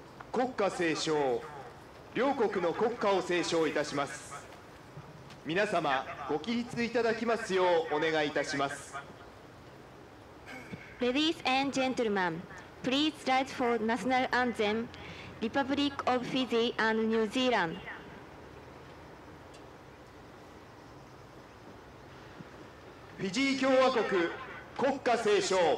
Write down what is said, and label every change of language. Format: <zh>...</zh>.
<ja>国家斉唱、両国の国歌を斉唱いたします。皆様ご起立いただきますようお願いいたします。</ja> <en>Ladies and gentlemen, please rise for National Anthem, Republic of Fiji and New Zealand.</en> <ja>フィジー共和国国歌斉唱。</ja>